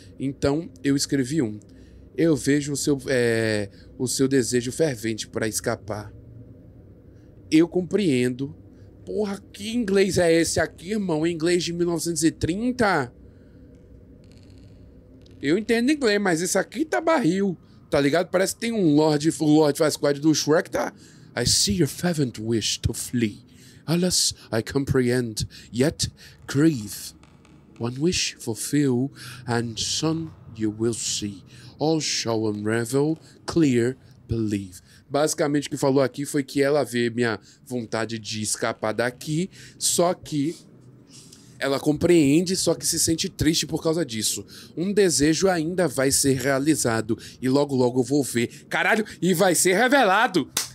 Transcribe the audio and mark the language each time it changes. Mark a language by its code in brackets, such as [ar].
[pt] Então, eu escrevi um. Eu vejo o seu desejo fervente pra escapar. Eu compreendo. Porra, que inglês é esse aqui, irmão? É inglês de 1930? Eu entendo inglês, mas esse aqui tá barril. Tá ligado? Parece que tem um Lord Farquaad do Shrek, tá? [en] I see your fervent wish to flee. Alas, I comprehend, yet grieve. One wish fulfill, and soon you will see. All shall unravel, clear, believe. [pt] Basicamente, o que falou aqui foi que ela vê minha vontade de escapar daqui, só que... Ela compreende, só que se sente triste por causa disso. Um desejo ainda vai ser realizado. E logo, logo eu vou ver. Caralho, e vai ser revelado.